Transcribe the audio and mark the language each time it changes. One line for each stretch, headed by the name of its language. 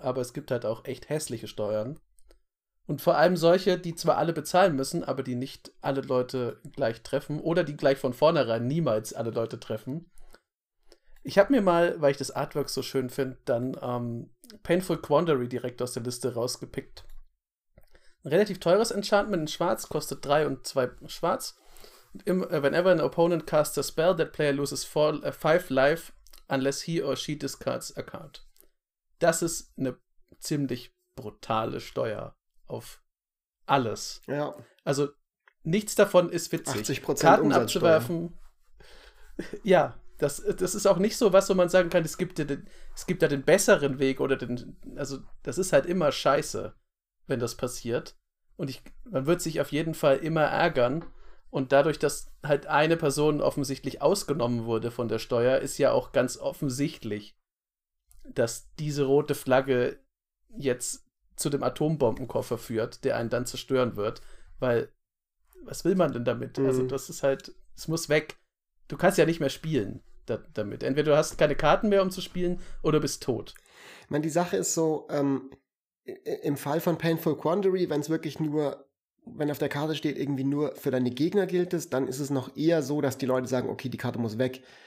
German: Aber es gibt halt auch echt hässliche Steuern. Und vor allem solche, die zwar alle bezahlen müssen, aber die nicht alle Leute gleich treffen oder die gleich von vornherein niemals alle Leute treffen. Ich habe mir mal, weil ich das Artwork so schön finde, dann Painful Quandary direkt aus der Liste rausgepickt. Ein relativ teures Enchantment in Schwarz, kostet 3 und 2 Schwarz.
English: Whenever an opponent casts a spell, that player loses 5 life unless he or she discards a card.
German: Das ist eine ziemlich brutale Steuer auf alles. Ja. Also nichts davon ist witzig. 80% Karten abzuwerfen. Ja, das ist auch nicht so was, wo man sagen kann, es gibt da den besseren Weg oder den. Also das ist halt immer scheiße, wenn das passiert. Und man wird sich auf jeden Fall immer ärgern. Und dadurch, dass halt eine Person offensichtlich ausgenommen wurde von der Steuer, ist ja auch ganz offensichtlich, dass diese rote Flagge jetzt zu dem Atombombenkoffer führt, der einen dann zerstören wird. Weil, was will man denn damit? Mhm. Also das ist halt, es muss weg. Du kannst ja nicht mehr spielen damit. Entweder du hast keine Karten mehr, um zu spielen, oder bist tot. Ich meine, die Sache ist so, im Fall von Painful Quandary, wenn es wirklich nur, wenn auf der Karte steht, irgendwie nur für deine Gegner gilt es, dann ist es noch eher so, dass die Leute sagen, okay, die Karte muss weg.